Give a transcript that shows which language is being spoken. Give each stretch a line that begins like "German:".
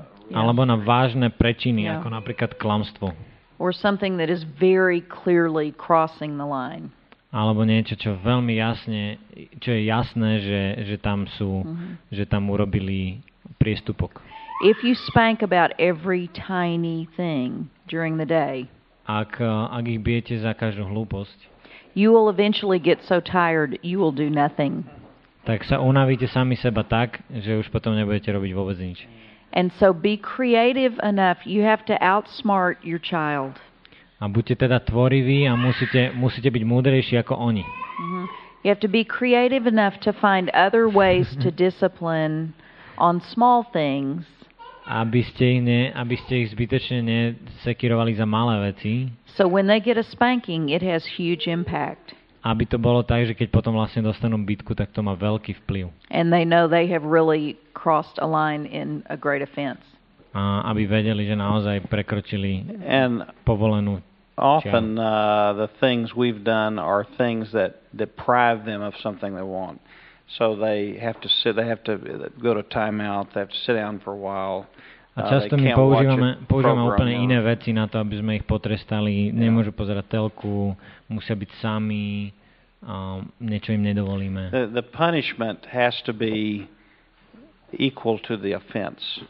Slovak: Alebo na vážne prečiny, ako napríklad klamstvo.
English: Or something that is very clearly crossing the line.
Slovak: Alebo niečo, čo veľmi jasne, čo je jasné, že tam sú, mm-hmm. že tam urobili priestupok.
English: If you spank about every tiny thing during the day,
Slovak: Ak ich bijete za každú hlúposť,
English: you will eventually get so tired you will do nothing.
Slovak: Tak sa unavíte sami seba tak, že už potom nebudete robiť vôbec nič.
English: And so be creative enough, you have to outsmart your child.
Slovak: A buďte teda tvoriví a musíte byť múdrejší ako oni.
English: Mm-hmm. You have to be creative enough to find other ways to discipline on small things.
Slovak: Aby ste ich zbytočne nesekirovali za malé veci.
English: So when they get a spanking, it has huge impact.
Slovak: Aby to bolo tak, že keď potom vlastne dostanú bitku, tak to má veľký vplyv.
English: And they know they have really crossed a line in a great offense.
Slovak: A aby vedeli, že naozaj prekročili povolenú čiaru.
English: Often the things we've done are things that deprive them of something they want. So they have to sit, they have to go to timeout, they have to sit down for a while.
Slovak: A často my používame úplne iné veci na to, aby sme ich potrestali. Yeah. Nemôžu pozerať telku, musia byť sami, niečo im nedovolíme.
English: The punishment has to be equal to the offense.